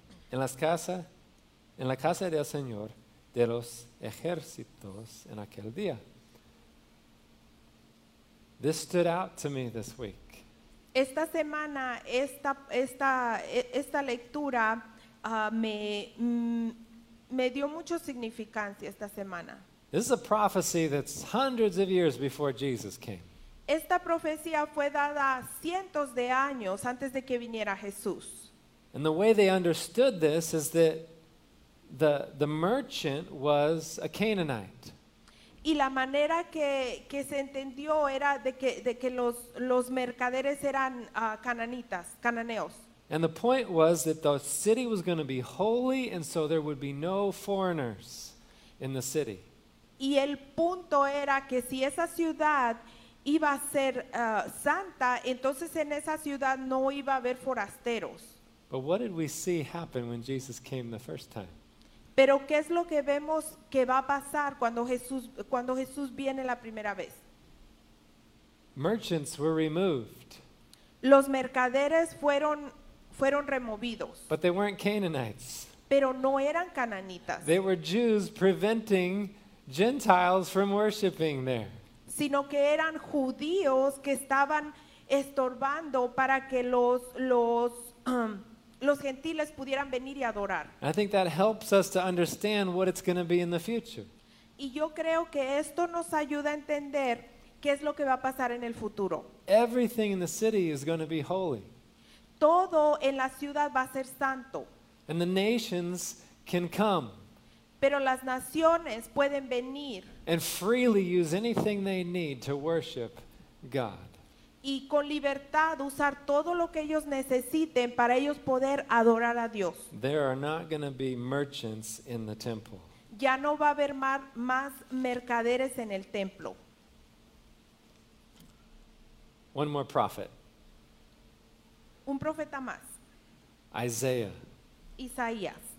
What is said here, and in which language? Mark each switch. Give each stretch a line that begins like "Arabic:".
Spanish: en la casa del Señor de los ejércitos en aquel día.
English: This stood out to me this week.
Spanish: Esta semana esta lectura me dio mucho significancia esta semana.
English: This is a prophecy that's hundreds of years before Jesus came.
Spanish: Esta profecía fue dada cientos de años antes de que viniera Jesús.
English: And the way they understood this is that the merchant was a Canaanite.
Spanish: Y la manera que se entendió era de que los mercaderes eran cananitas, cananeos.
English: And the point was that the city was going to be holy, and so there would be no foreigners in the city.
Spanish: Y el punto era que si esa ciudad iba a ser santa, entonces en esa ciudad no iba a haber forasteros.
English: But what did we see happen when Jesus came the first time?
Spanish: Pero ¿qué es lo que vemos que va a pasar cuando Jesús viene la primera vez?
English: Merchants were removed.
Spanish: Los mercaderes fueron removidos.
English: But they weren't Canaanites.
Spanish: Pero no eran cananitas.
English: They were Jews preventing Gentiles from worshiping there.
Spanish: Sino que eran judíos que estaban estorbando para que los gentiles pudieran venir y adorar.
English: I think that helps us to understand what it's going to be in the future.
Spanish: Y yo creo que esto nos ayuda a entender qué es lo que va a pasar en el futuro.
English: Everything in the city is going to be holy.
Spanish: Todo en la ciudad va a ser santo.
English: And the nations can come.
Spanish: Pero las naciones pueden venir.
English: And freely use anything they need to worship God.
Spanish: Y con libertad usar todo lo que ellos necesiten para ellos poder adorar a Dios.
English: There are not going to be merchants in the temple.
Spanish: Ya no va a haber más mercaderes en el templo.
English: One more prophet.
Spanish: Un profeta más.
English: Isaiah.
Spanish: Isaías.